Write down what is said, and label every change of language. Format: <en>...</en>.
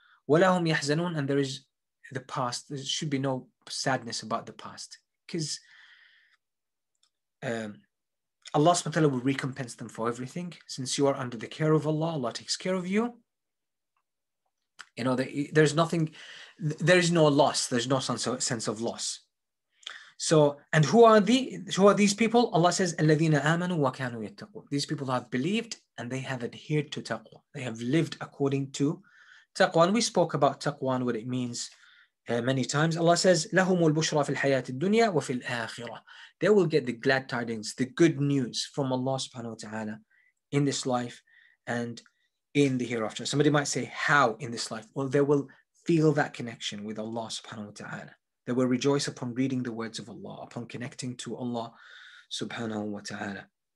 <ar>Wa la hum yahzanun,</ar> <en>and there is the past, there should be no sadness about the past, because Allah subhanahu wa ta'ala will recompense them for everything. Since you are under the care of Allah, Allah takes care of you. You know, there's nothing, there is no loss, there's no sense of loss. So, and who are these people? Allah says,</en> <ar>الَّذِينَ آمَنُوا وَكَانُوا يَتَّقُونَ.</ar> <en>These people have believed and they have adhered to taqwa. They have lived according to taqwa. And we spoke about taqwa and what it means many times. Allah says,</en> <ar>لَهُمُ الْبُشْرَى فِي الْحَيَاةِ الدُّنْيَا وَفِي الْآخِرَةِ.</ar> <en>They will get the glad tidings, the good news from Allah subhanahu wa ta'ala in this life and in the hereafter. Somebody might say, how in this life? Well, they will feel that connection with Allah subhanahu wa ta'ala. They will rejoice upon reading the words of Allah, upon connecting to Allah subhanahu wa ta'ala.</en>